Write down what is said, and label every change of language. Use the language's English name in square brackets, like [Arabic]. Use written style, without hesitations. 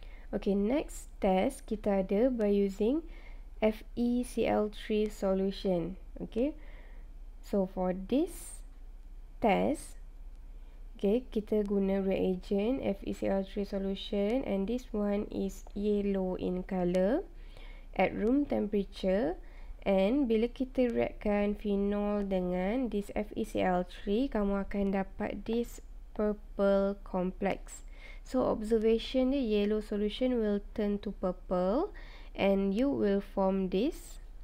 [English] Okay, next test [Malay] kita ada [English] by using FeCl3 solution. Okay, so for this test, okay, [Malay] kita guna [English] reagent FeCl3 solution, and this one is yellow in color at room temperature. [Malay] And bila kita reactkan phenol dengan this FeCl3, kamu akan dapat [English] this purple complex. So, observation dia, yellow solution will turn to purple and you will form this.